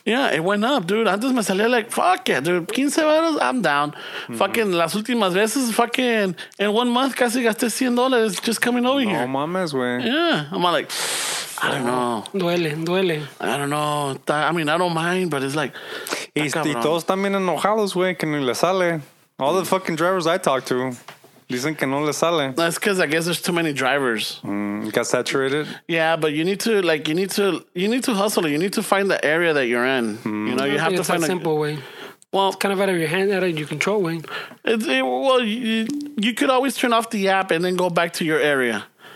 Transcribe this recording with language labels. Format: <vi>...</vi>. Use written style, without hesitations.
<en>Yeah, it went up, dude.</en> <es>Antes me salía</es> <en>like, fuck it, dude.</en> <es>15 baros,</es> <en>I'm down. Mm-hmm. Fucking</en> <es>las últimas veces,</es> <en>fucking in 1 month,</en> <es>casi gasté</es> <en>$100 just coming over here.</en> <es>No mames, güey.</es> <en>Yeah. I'm like, I don't know.</en> <es>Duele, duele.</es> <en>I don't know. I mean, I don't mind, but it's like,</en> <es>y todos también enojados, güey, que no le sale.</es> <en>All the fucking drivers I talk to.</en> <es>Dicen que no le sale.</es> <en>That's because I guess there's too many drivers. Got saturated? Yeah, but you need to hustle. You need to find the area that you're in. Mm. You know, you have to find a simple way. Well, it's kind of out of your hand, out of your control, way. You could always turn off the app and then go back to your area.</en>